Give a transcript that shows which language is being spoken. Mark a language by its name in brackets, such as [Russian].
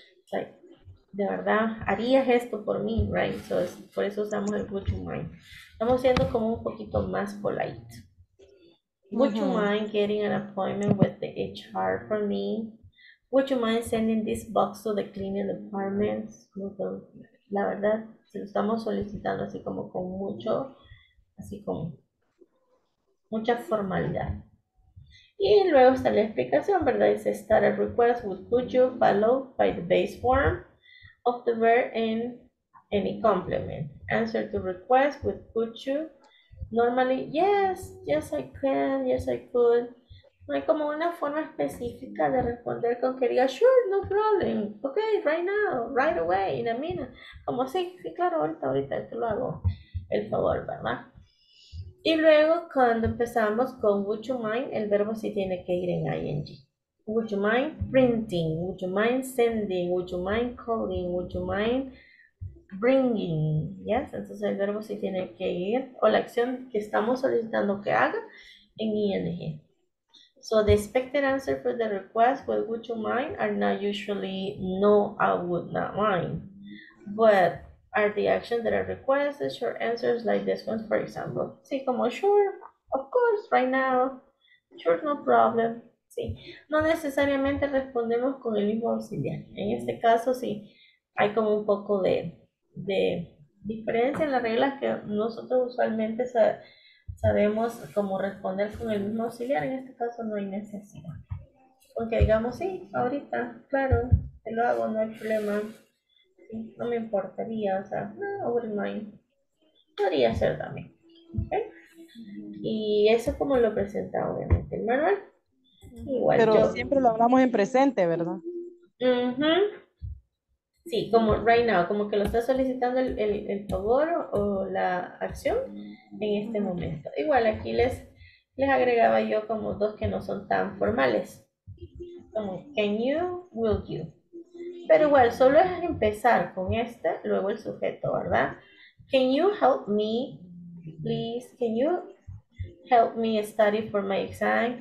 [Spanish] Like, de verdad, ¿harías esto por mí? Right? So, por eso usamos el [English] would you mind. [Spanish] Estamos siendo como un poquito más polite. [English] Would you mind getting an appointment with the HR for me? Would you mind sending this box to the cleaning department? [Spanish] La verdad, se lo estamos solicitando así como con mucho, así como mucha formalidad. Y luego está la explicación, ¿verdad? [English] Dice, start a request with could you follow by the base form of the verb in any complement. Answer to request with could you. Normally, yes I can, yes I could. [Spanish] No hay como una forma específica de responder con que diga, [English] sure, no problem, okay, right now, right away, in a minute. [Spanish] Como sí, claro, ahorita te lo hago el favor, ¿verdad? Y luego cuando empezamos con [English] would you mind, [Spanish] el verbo sí tiene que ir en ing. [English] Would you mind printing, would you mind sending, would you mind calling, would you mind bringing, yes, [Spanish] entonces el verbo sí tiene que ir, o la acción que estamos solicitando que haga, en ing. [English] So the expected answer for the request, well, would you mind, are not usually, no, I would not mind. But are the actions that are requested, short answers like this one, for example. [Spanish] Sí, como [English] sure, of course, right now, sure, no problem. [Spanish] Sí, no necesariamente respondemos con el mismo auxiliar. En este caso, sí, hay como un poco de diferencia en las reglas que nosotros usualmente sabemos cómo responder con el mismo auxiliar. En este caso no hay necesidad. Aunque digamos, sí, ahorita, claro, te lo hago, no hay problema. Sí, no me importaría, o sea, no, over mind. Podría ser también. ¿Okay? Y eso es como lo presenta obviamente el manual. Igual pero yo siempre lo hablamos en presente, ¿verdad? Uh-huh. Sí, como [English] right now, [Spanish] como que lo está solicitando el favor o la acción en este momento. Igual aquí les agregaba yo como dos que no son tan formales. Como [English] can you, will you. [Spanish] Pero igual, solo es empezar con este, luego el sujeto, ¿verdad? [English] Can you help me, please? Can you help me study for my exam?